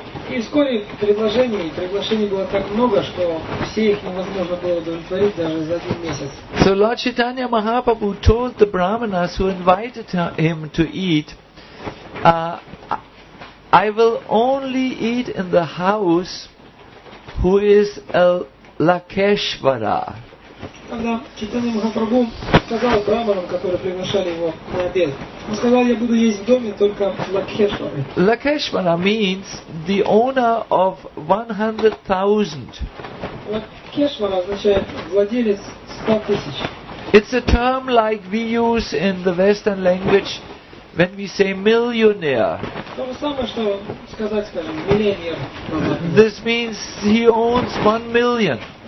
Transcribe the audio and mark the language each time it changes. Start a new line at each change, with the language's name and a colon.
Russian: И вскоре приглашений было так много, что все их невозможно было удовлетворить даже за один месяц.
English: So Lord Chaitanya Mahaprabhu told the brahmanas who invited him to eat, I will only eat in the house who is a Lakeshvara.
Russian: Тогда Чайтанья Махапрабху сказал браманам, которые приглашали его на обед, он сказал, я буду есть в доме только Лакхешвара.
English: Лакхешвара means the owner of 100,000.
Russian: Лакхешвара означает владелец 100 тысяч.
English: It's a term like we use in the Western language when we say millionaire.
Russian: То же самое, что сказать, скажем, миллионер.
English: This means he owns 1 million.